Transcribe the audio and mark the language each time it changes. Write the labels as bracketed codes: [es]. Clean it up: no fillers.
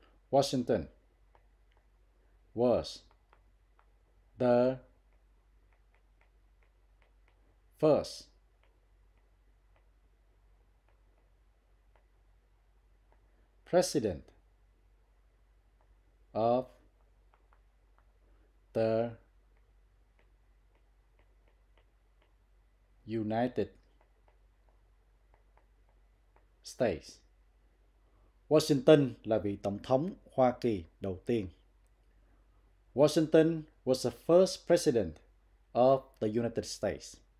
[en] Washington was the first president of the United States. [vi] Washington là vị tổng thống Hoa Kỳ đầu tiên. [en] Washington was the first president of the United States.